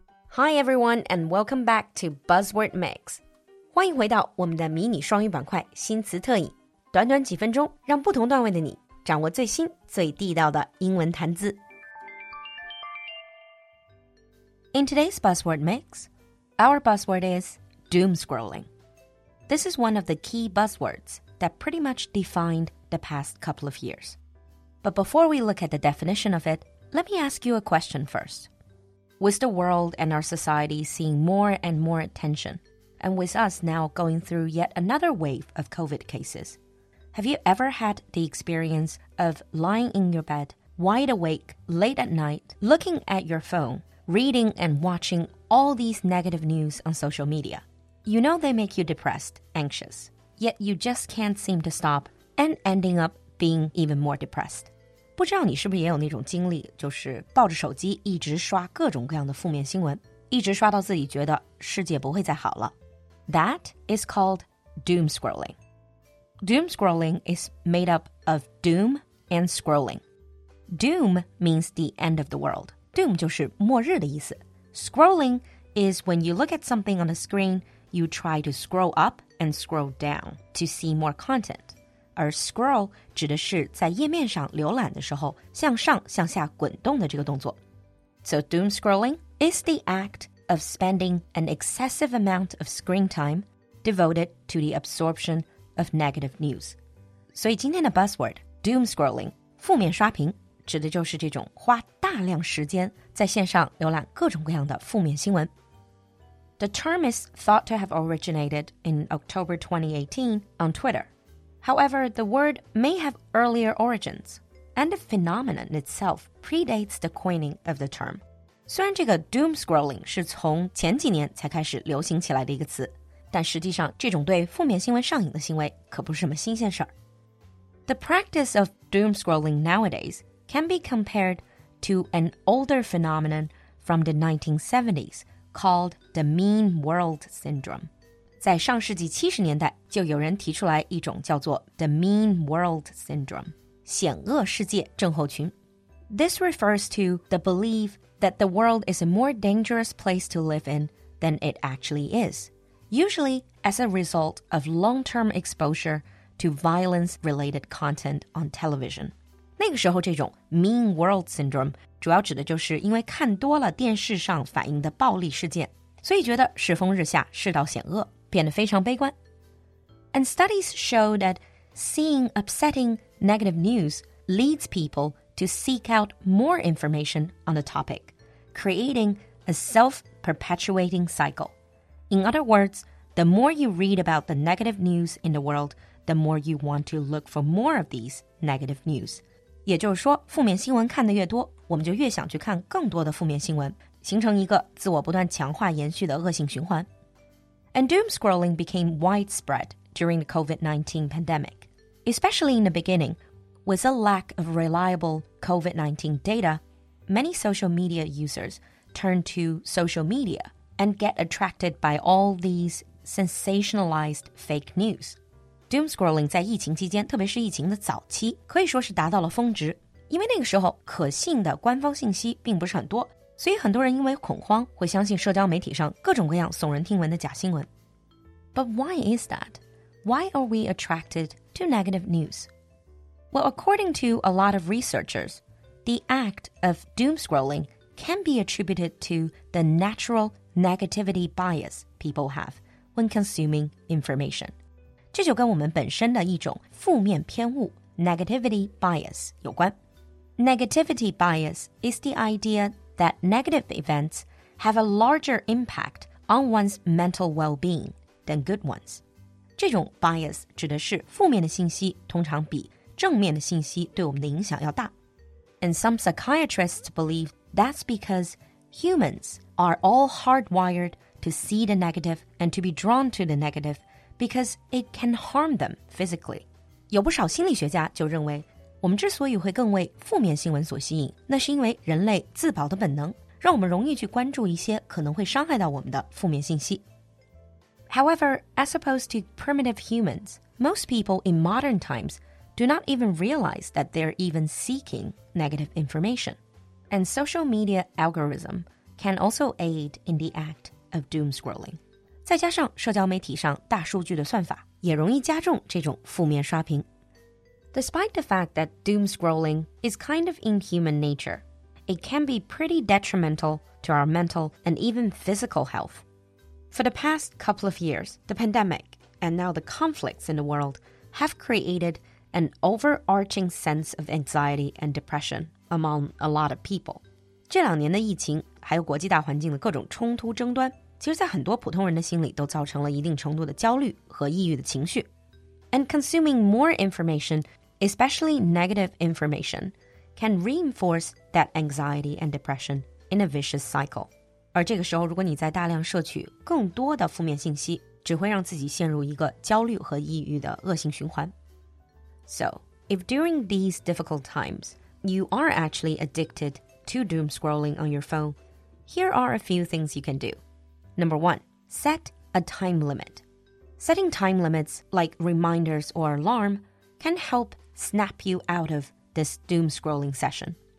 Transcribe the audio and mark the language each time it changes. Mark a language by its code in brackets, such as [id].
[en] Hi everyone, and welcome back to Buzzword Mix. [zh] 欢迎回到我们的迷你双语板块新词特饮，短短几分钟，让不同段位的你掌握最新最地道的英文谈资。 [en] In today's Buzzword Mix, our buzzword is doom scrolling. This is one of the key buzzwords that pretty much defined the past couple of years. But before we look at the definition of it, let me ask you a question first. With the world and our society seeing more and more attention, and with us now going through yet another wave of COVID cases, have you ever had the experience of lying in your bed, wide awake, late at night, looking at your phone, reading and watching all these negative news on social media? You know they make you depressed, anxious, yet you just can't seem to stop and ending up being even more depressed. [zh] 不知道你是不是也有那种经历，就是抱着手机一直刷各种各样的负面新闻，一直刷到自己觉得世界不会再好了。 [en] That is called doom scrolling. Doom scrolling is made up of doom and scrolling. Doom means the end of the world. [zh] Doom 就是末日的意思。 [en] Scrolling is when you look at something on the screen, you try to scroll up and scroll down to see more content. [zh] 而 scroll 指的是在页面上浏览的时候向上向下滚动的这个动作。 [en] So doom scrolling is the act of spending an excessive amount of screen time devoted to the absorption of negative news. [zh] 所以今天的 buzzword, doom scrolling, 负面刷屏指的就是这种花大量时间在线上浏览各种各样的负面新闻。 [en] The term is thought to have originated in October 2018 on Twitter. However, the word may have earlier origins, and the phenomenon itself predates the coining of the term. [zh] 虽然这个 doom scrolling 是从前几年才开始流行起来的一个词，但实际上这种对负面新闻上瘾的行为可不是什么新鲜事儿。 [en] The practice of doom scrolling nowadays can be compared to an older phenomenon from the 1970s called the mean world syndrome. [zh] 在上世纪70年代就有人提出来一种叫做 The Mean World Syndrome, 险恶世界症候群。 [en] This refers to the belief that the world is a more dangerous place to live in than it actually is, usually as a result of long-term exposure to violence-related content on television. [zh] 那个时候这种 Mean World Syndrome 主要指的就是因为看多了电视上反映的暴力事件，所以觉得世风日下，世道险恶。变得非常悲观。 [en] And studies show that seeing upsetting negative news leads people to seek out more information on the topic, creating a self-perpetuating cycle. In other words, the more you read about the negative news in the world, the more you want to look for more of these negative news. [zh] 也就是说，负面新闻看得越多，我们就越想去看更多的负面新闻，形成一个自我不断强化延续的恶性循环。 [en] And doom scrolling became widespread during the COVID-19 pandemic, especially in the beginning. With a lack of reliable COVID-19 data, many social media users turn to social media and get attracted by all these sensationalized fake news. [zh] Doom scrolling 在疫情期间，特别是疫情的早期，可以说是达到了峰值，因为那个时候可信的官方信息并不是很多。所以很多人因为恐慌会相信社交媒体上各种各样耸人听闻的假新闻。 [en] But why is that? Why are we attracted to negative news? Well, according to a lot of researchers, the act of doom scrolling can be attributed to the natural negativity bias people have when consuming information. [zh] 这就跟我们本身的一种负面偏误 negativity bias 有关。 [en] Negativity bias is the idea that negative events have a larger impact on one's mental well-being than good ones. [zh] 这种 bias 指的是负面的信息通常比正面的信息对我们的影响要大。 [en] And some psychiatrists believe that's because humans are all hardwired to see the negative and to be drawn to the negative because it can harm them physically. [zh] 有不少心理学家就认为我们之所以会更为负面新闻所吸引，那是因为人类自保的本能，让我们容易去关注一些可能会伤害到我们的负面信息。 [en] However, as opposed to primitive humans, most people in modern times do not even realize that they're even seeking negative information. And social media algorithm can also aid in the act of doom scrolling. [zh] 再加上社交媒体上大数据的算法也容易加重这种负面刷屏。 [en] Despite the fact that doom scrolling is kind of in human nature, it can be pretty detrimental to our mental and even physical health. For the past couple of years, the pandemic and now the conflicts in the world have created an overarching sense of anxiety and depression among a lot of people. [zh] 这两年的疫情还有国际大环境的各种冲突争端，其实在很多普通人的心里都造成了一定程度的焦虑和抑郁的情绪。 [en] And consuming more information, especially negative information, can reinforce that anxiety and depression in a vicious cycle. [zh] 而这个时候如果你再大量摄取更多的负面信息，只会让自己陷入一个焦虑和抑郁的恶性循环。 [en] So, if during these difficult times, you are actually addicted to doom scrolling on your phone, here are a few things you can do. Number one, set a time limit. Setting time limits, like reminders or alarm, can help snap you out of this doom-scrolling session.